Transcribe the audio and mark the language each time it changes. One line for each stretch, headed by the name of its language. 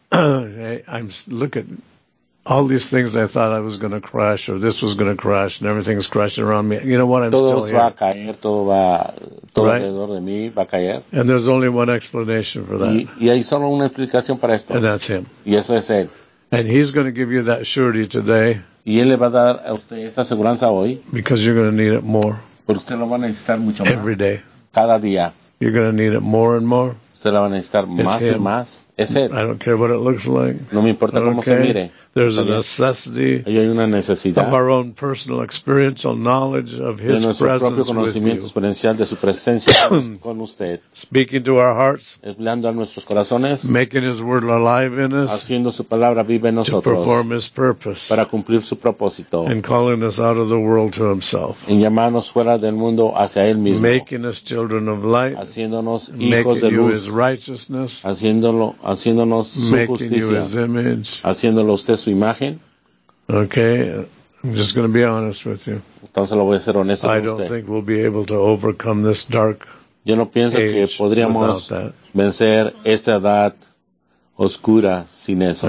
English: I'm look at all these things I thought I was going to crash or this was going to crash and everything's crashing around me. You know what? I'm
Spanish: todo
English: still here.
Spanish: Va a caer, todo va, todo right? alrededor de mí va a caer.
English: And there's only one explanation for that.
Spanish: Y hay solo una explicación para esto.
English: And that's him.
Spanish: Y eso es él.
English: And he's going to give you that surety today.
Spanish: Y él le va a dar a usted esta seguridad hoy.
English: Because you're going to need it more.
Spanish: Porque usted lo va a necesitar mucho más.
English: Every day.
Spanish: Cada día.
English: You're going to need it more and more.
Spanish: Usted la va a necesitar más y más. Es él.
English: I don't care what it looks like.
Spanish: No me importa
English: okay.
Spanish: cómo se mire.
English: There's a necessity.
Spanish: Ahí hay una necesidad.
English: Of our own personal experiential knowledge of his presence with you.
Spanish: De nuestro propio conocimiento experiencial de su presencia con usted.
English: Speaking to our hearts.
Spanish: Hablando a nuestros corazones.
English: Making his word alive in us.
Spanish: Haciendo su palabra viva en nosotros.
English: To perform his purpose.
Spanish: Para cumplir su propósito.
English: And calling us out of the world to himself.
Spanish: Y llamarnos fuera del mundo hacia él mismo.
English: Making us children of light.
Spanish: Haciéndonos hijos de luz.
English: His righteousness,
Spanish: haciéndonos su justicia,
English: his image.
Spanish: Haciéndolo usted su imagen.
English: Okay, I'm just going to be honest with you.
Spanish: Entonces lo voy a ser honesto
English: I
Spanish: con usted.
English: I don't think we'll be able to overcome this dark.
Spanish: Yo no pienso
English: age
Spanish: que podríamos vencer esta edad oscura sin eso.